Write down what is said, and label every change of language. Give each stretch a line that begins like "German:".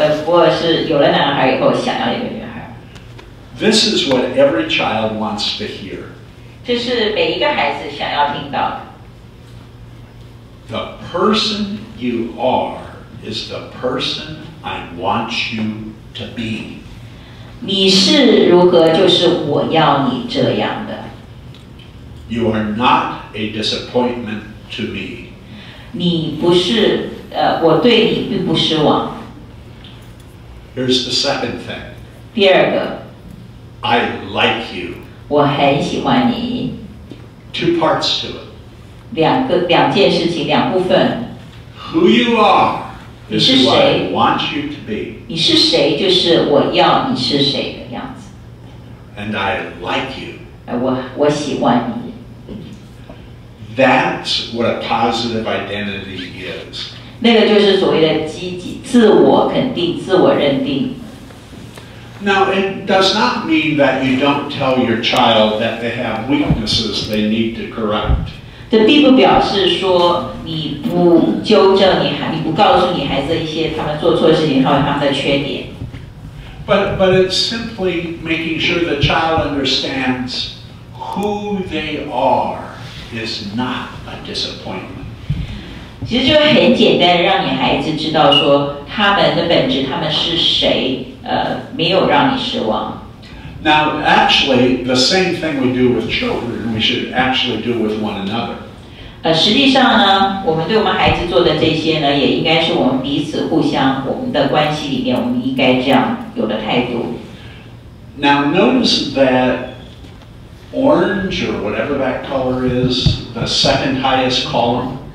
Chinese: 不过是有了男孩以后想要一个女孩。
English: This is what every child wants to hear.
Chinese: 这是每一个孩子想要听到的。
English: The person you are is the person I want you to be.
Chinese: 你是如何就是我要你这样的。
English: You are not a disappointment to me.
Chinese: 你不是我对你并不失望。
English: Here's the second thing.
Chinese: 第二个。
English: I like you.
Chinese: 我很喜欢你。
English: Two parts to it.
Chinese: 两件事情，两部分。
English: Who you are is who I want you to be.
Chinese: 你是谁就是我要你是谁的样子。
English: And I like you.
Chinese: 我喜欢你。
English: That's what a positive identity is.
Chinese: 那个就是所谓的积极，自我肯定，自我认定。
English: Now, it does not mean that you don't tell your child that they have weaknesses they need to correct.
Chinese: 这并不表示说你不纠正你孩，你不告诉你孩子一些他们做错事情或者他们的缺点。
English: But it's simply making sure the child understands who they are is not a disappointment.
Chinese: 其实就很简单，让你孩子知道说他们的本质，他们是谁，没有让你失望。
English: Now, actually, the same thing we do with children, we should actually do with one another.
Chinese: 实际上呢，我们对我们孩子做的这些呢，也应该是我们彼此互相，我们的关系里面，我们应该这样有的态度。
English: Now, notice that orange, or whatever that color is, the second highest column.